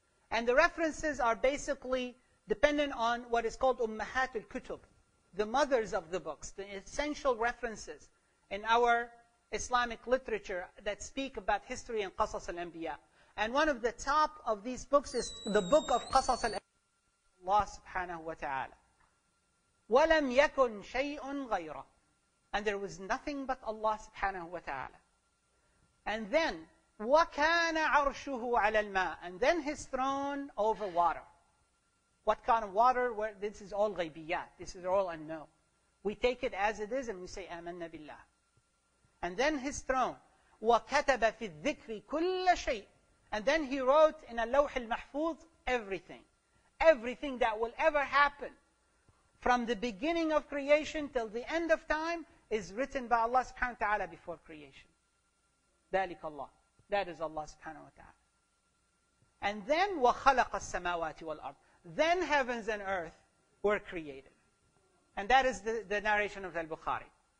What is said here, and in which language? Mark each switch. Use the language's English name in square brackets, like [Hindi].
[English] And the references are basically dependent on what is called Ummahat al-Kutub, the mothers of the books, the essential references in our Islamic literature that speak about history and Qasas al-Anbiya. And one of the top of these books is the book of Qasas al-Anbiya, Allah subhanahu wa ta'ala. [Arabic] وَلَمْ يَكُنْ شَيْءٌ غَيْرًا. [English] And there was nothing but Allah subhanahu wa ta'ala. And then, [Arabic] وَكَانَ عَرْشُهُ عَلَى الْمَاءِ. [English] And then his throne over water. What kind of water? Where, this is all غيبيات. This is all unknown. We take it as it is and we say, [Arabic] آمَنَّ بِاللَّهِ. [English] And then his throne. [Arabic] وَكَتَبَ فِي الذِّكْرِ كُلَّ شَيْءٍ. [English] And then he wrote in [Arabic] اللوح المحفوظ [English] everything. Everything that will ever happen from the beginning of creation till the end of time is written by Allah subhanahu wa ta'ala before creation. [Arabic] ذلك الله. [English] That is Allah subhanahu wa ta'ala. And then, [Arabic] وَخَلَقَ السَّمَاوَاتِ وَالْأَرْضِ. [English] Then heavens and earth were created. And that is the narration of Al-Bukhari.